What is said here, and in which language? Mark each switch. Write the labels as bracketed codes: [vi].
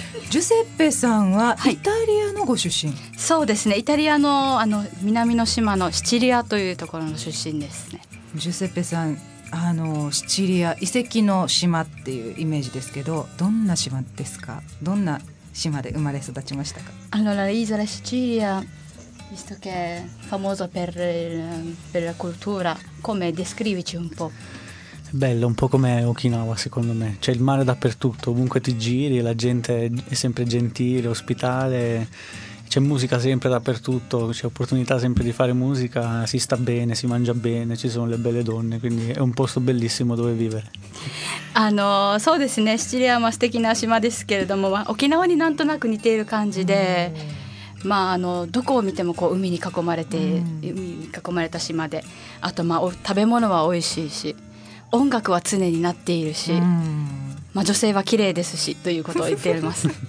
[ja] ジュセッペさんはイタリアのご出身、はい、そうですね、イタリア あの南の島のシチリアというところの出身ですね。ジュセッペさん、あのシチリア遺跡の島っていうイメージですけど、どんな島ですか？どんな島で生まれ育ちましたか？あのイザラシチリア [it] visto che famoso per la cultura, come descrivici un po'? Bello, un po' come Okinawa secondo me. C'è il mare dappertutto, ovunque ti giri, la gente è sempre gentile, ospitale. C'è musica sempre dappertutto, c'è opportunità sempre di fare musica, si sta bene, si mangia bene, ci sono le belle donne, quindi è un posto bellissimo dove vivere. [ja] そうですね、シチリアも素敵な島ですけれども、沖縄になんとなく似ている感じで、まあ、どこを見てもこう海に囲まれて、海に囲まれた島で、あと、まあ、食べ物は美味しいし、音楽は常になっているし、まあ、女性は綺麗ですしということを言っています。